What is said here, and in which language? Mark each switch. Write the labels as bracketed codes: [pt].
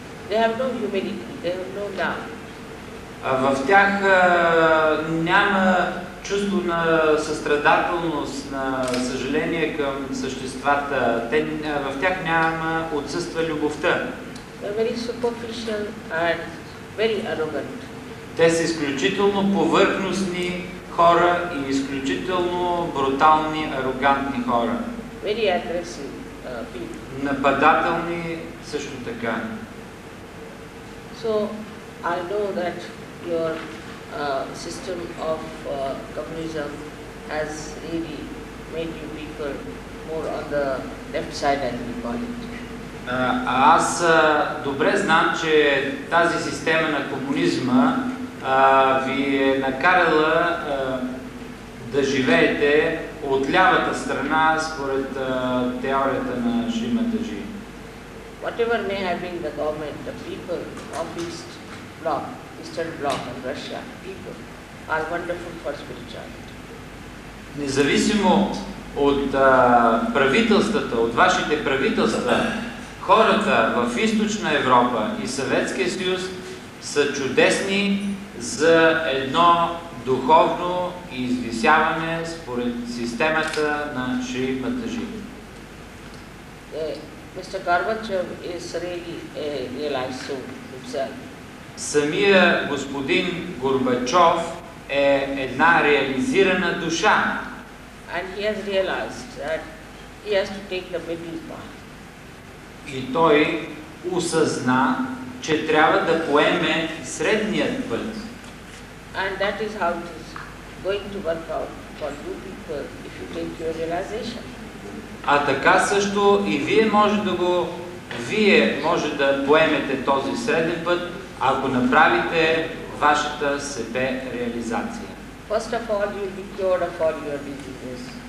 [en] They have no humility, they have no love. [bg] В тях няма чувство на състрадателност, на съжаление към съществата. В тях няма отсъства любовта. [en] Very superficial and very arrogant. [bg] Те са изключително повърхностни хора и изключително брутални, арогантни хора. [en] Very aggressive people. [bg] Нападателни също така. [en] So I know that your system of communism has really made you people more on the left side as we call it. [bg] Аз добре знам, че тази система на комунизма ви е накарала да живеете от лявата страна според теорията на Шримададжи. [en] Whatever may have been the government, the people of East Bloc, Eastern Bloc and Russia, people are wonderful for spirituality. [bg] Независимо от правителствата, от вашите правителства, хората в Източна Европа и Съветския съюз са чудесни за едно духовно извисяване според системата на Шри Матаджи. [en] Mr. Gorbachev is really realized himself. [bg] Самия господин Горбачов е една реализирана душа. [en] And he has realized that he has to take the middle path. [bg] И той осъзна, че трябва да поеме средният път. [en] And that is how it is going to work out for you people if you take your realization. [bg] А така също и вие може да го, вие може да поемете този среден път, ако направите вашата себе реализация. [en] First of all, you'll be cured of all your diseases.